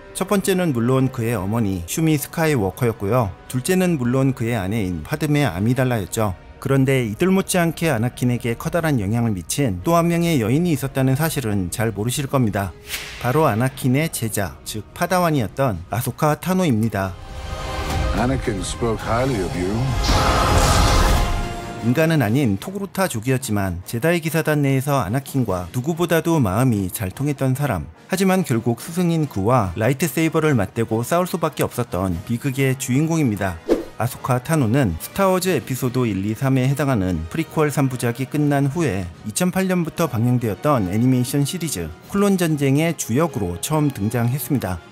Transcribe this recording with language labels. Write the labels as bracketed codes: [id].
[ko] 첫 번째는 물론 그의 어머니 슈미 스카이워커였고요. 둘째는 물론 그의 아내인 파드메 아미달라였죠. 그런데 이들 못지않게 아나킨에게 커다란 영향을 미친 또 한 명의 여인이 있었다는 사실은 잘 모르실 겁니다. 바로 아나킨의 제자, 즉 파다완이었던 아소카 타노입니다. [en] Anakin spoke highly of you. [ko] 인간은 아닌 토그루타 족이었지만 제다이 기사단 내에서 아나킨과 누구보다도 마음이 잘 통했던 사람. 하지만 결국 스승인 그와 라이트세이버를 맞대고 싸울 수밖에 없었던 비극의 주인공입니다. 아소카 타노는 스타워즈 에피소드 1, 2, 3에 해당하는 프리퀄 3부작이 끝난 후에 2008년부터 방영되었던 애니메이션 시리즈 클론전쟁의 주역으로 처음 등장했습니다.